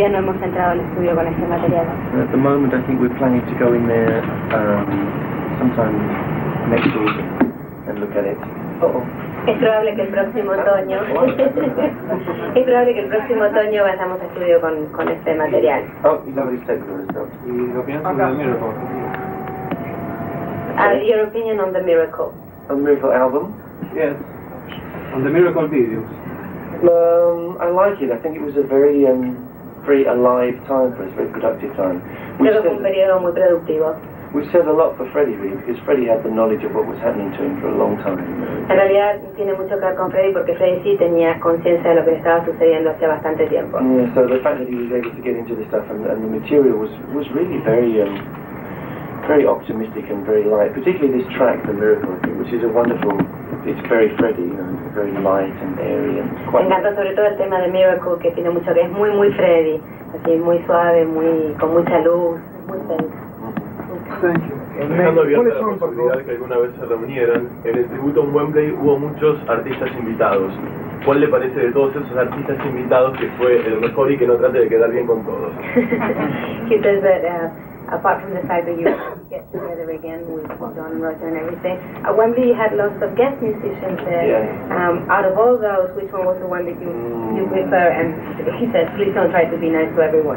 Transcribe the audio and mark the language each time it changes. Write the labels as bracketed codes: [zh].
[en] At the moment, I think we're planning to go in there sometime next week and look at it. [es] Es probable que el próximo otoño es probable que el próximo otoño vayamos a estudio con este material. Oh, [en] y your opinion on the miracle? A miracle album? Yes. On the miracle videos. I like it. I think it was a very very alive time for us, very productive time. [es] Creo que fue un periodo muy productivo. [en] We said a lot for Freddie, really, because Freddie had the knowledge of what was happening to him for a long time. [es] En realidad tiene mucho que ver con Freddie porque Freddie sí tenía conciencia de lo que estaba sucediendo hace bastante tiempo. [en] Yeah, so the fact that he was able to get into this stuff and the material was really very very optimistic and very light, particularly this track, The Miracle, which is a wonderful. It's very Freddie, you know, very light and airy and quite. [es] Me encantó sobre todo el tema de Miracle, que tiene mucho que es muy Freddie, así muy suave, muy con mucha luz, muy zen. [en] Thank you. [es] Dejando abierta la posibilidad de que alguna vez se reunieran, en el tributo a Wembley hubo muchos artistas invitados. ¿Cuál le parece de todos esos artistas invitados que fue el mejor y que no trate de quedar bien con todos? [en] He says that apart from the fact that you get together again with John Roger and everything, at Wembley you had lots of guest musicians there. Yeah. Out of all those, which one was the one that you prefer? And he said, please don't try to be nice to everyone.